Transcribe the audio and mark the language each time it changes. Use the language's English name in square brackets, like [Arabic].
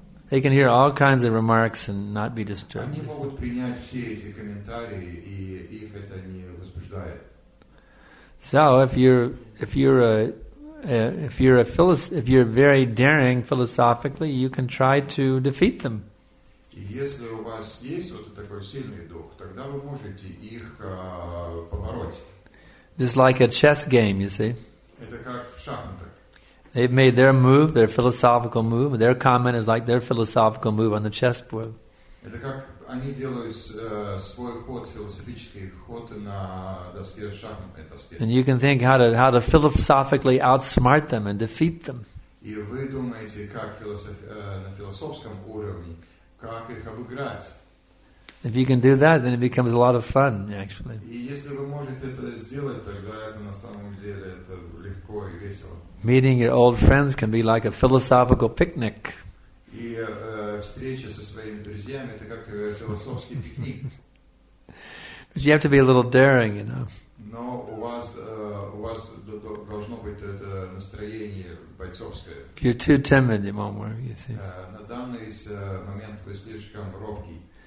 [English] they can hear all kinds of remarks and not be disturbed. [Russian] Они могут принять все эти комментарии, и их это не возбуждает. [English] So if you're very daring philosophically, you can try to defeat them. [Russian] Если у вас есть вот такой сильный дух, тогда вы можете их побороть. [English] Just like a chess game, you see. [Russian] Это как в шахматах. [English] They've made their move, their philosophical move. Their comment is like their philosophical move on the chessboard. [Russian] Это как они делают свой ход, философический ход на доске шахмат. [English] And you can think how to philosophically outsmart them and defeat them. [Russian] И вы думаете, как на философском уровне, как их обыграть? [English] If you can do that, then it becomes a lot of fun, actually. [Russian] И если вы можете это сделать, тогда это на самом деле это легко и весело. [English] Meeting your old friends can be like a philosophical picnic. [Russian] И встреча со своими друзьями это как философский пикник. [English] But you have to be a little daring, you know. [Russian] Но у вас должно быть это настроение бойцовское. [English] If you're too timid, it won't work, you see. [Russian] На данный момент вы слишком робкий.